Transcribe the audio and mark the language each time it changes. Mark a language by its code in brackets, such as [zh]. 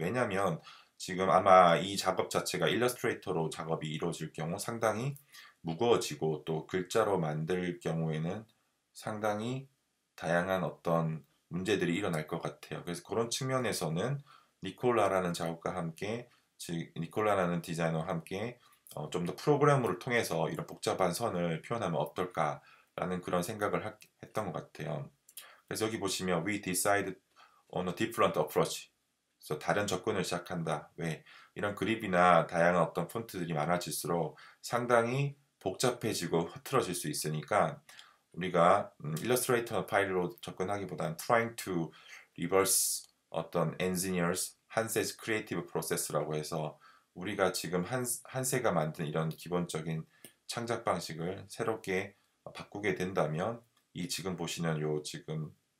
[ko] 왜냐하면 지금 아마 이 작업 자체가 일러스트레이터로 작업이 이루어질 경우 상당히 무거워지고, 또 글자로 만들 경우에는 상당히 다양한 어떤 문제들이 일어날 것 같아요. 그래서 그런 측면에서는 니콜라라는 작업과 함께, 즉 니콜라라는 디자이너와 함께 좀 더 프로그램을 통해서 이런 복잡한 선을 표현하면 어떨까 라는 그런 생각을 했던 것 같아요. 그래서 여기 보시면 [en] We decide on a different approach. [ko] 그래서 다른 접근을 시작한다. 왜? 이런 그립이나 다양한 어떤 폰트들이 많아질수록 상당히 복잡해지고 흐트러질 수 있으니까 우리가 일러스트레이터 파일로 접근하기보다는 [en] trying to reverse [ko] 어떤 engineers 한세스 크리에이티브 프로세스라고 해서 우리가 지금 한세가 만든 이런 기본적인 창작 방식을 새롭게 바꾸게 된다면 이 지금 보시는 요 지금